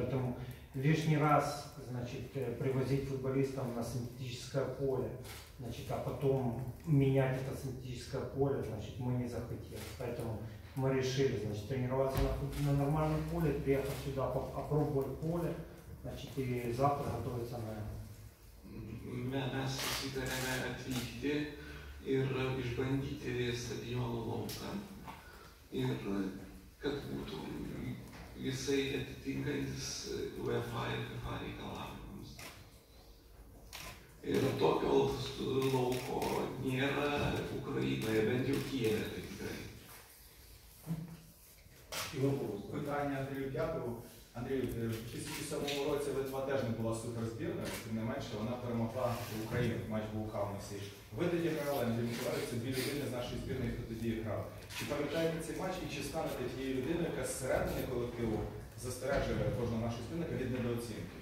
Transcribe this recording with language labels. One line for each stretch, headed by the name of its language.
Russian: Поэтому лишний раз, значит, привозить футболистов на синтетическое поле, значит, а потом менять это синтетическое поле, значит, мы не захотели. Поэтому мы решили, значит, тренироваться на нормальном поле, приехать сюда, попробовать поле, значит, и завтра готовиться на это.
Lithuanian: Mes sutarėme atvykti ir išbandyti stadiono lauką. Ir kad būtų visai atitinkantis UEFA ir FIFA reikalavimams. Ir tokio lauko nėra Ukrainoje, bent jau Kijeve tai tikrai.
Ukrainian: Питання Андрію, дякую. Андрій, після самого року Литва теж не була суперзбірна, тим не менше, вона перемогла Україну в матч Булхавнесі. Ви тоді грали, Андрій Миколаївці, дві людини з нашої збірної, хто тоді грав. Чи пам'ятаєте цей матч і чи станете тією людиною, яка зсередини колективу застережує кожного нашого збірника від недооцінки?